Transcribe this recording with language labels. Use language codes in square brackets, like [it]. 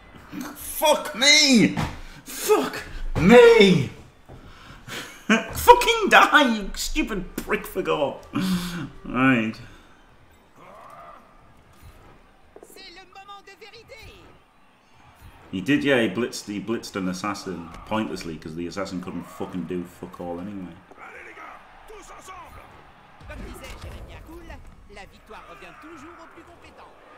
[en] Fuck me! Fuck me! Fucking die, you stupid prick for God. Right. [fr] C'est le moment de vérité. [en] He did, yeah, he blitzed an assassin pointlessly because the assassin couldn't fucking do fuck all anyway. [fr] Allez les gars, tous ensemble. Comme disait Jérémy Akoul, la victoire revient toujours aux plus compétents.